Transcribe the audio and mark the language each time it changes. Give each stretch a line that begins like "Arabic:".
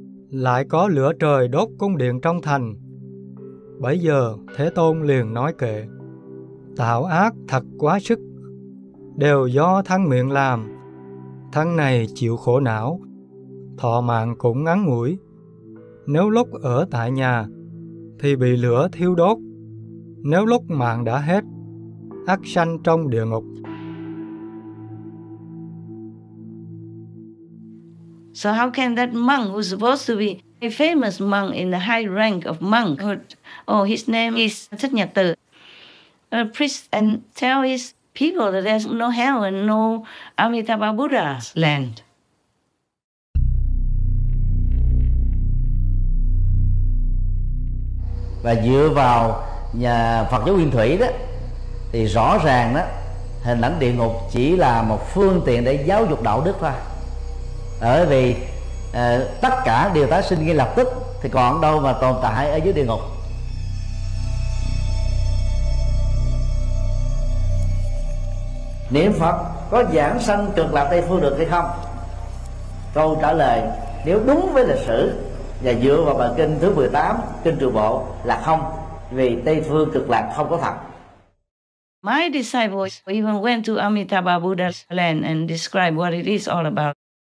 Vietnamese: Lại có lửa trời đốt cung điện trong thành. Bấy giờ, Thế Tôn liền nói kệ: Tạo ác thật quá sức, đều do thân miệng làm. Thân này chịu khổ não, thọ mạng cũng ngắn ngủi. Nếu lúc ở tại nhà thì bị lửa thiêu đốt, nếu lúc mạng đã hết, ác sanh trong địa ngục.
English: So how can that monk who's supposed to be a famous monk in the high rank of monkhood, oh, his name is Thích Nhật Từ, a priest, and tell his people that there's no hell and no Amitabha Buddha's land?
Vietnamese: Và dựa vào nhà Phật giáo Nguyên Thủy đó, thì rõ ràng đó, hình ảnh địa ngục chỉ là một phương tiện để giáo dục đạo đức thôi. Bởi vì tất cả đều tái sinh ngay lập tức, thì còn đâu mà tồn tại ở dưới địa ngục. Niệm Phật có giảng sanh cực lạc Tây Phương được hay không? Câu trả lời, nếu đúng với lịch sử và dựa vào bản kinh thứ 18, kinh Trường Bộ là không, vì Tây Phương Cực Lạc không có thật.
English: My disciples even went to Amitabha Buddha's land and described what it is all about.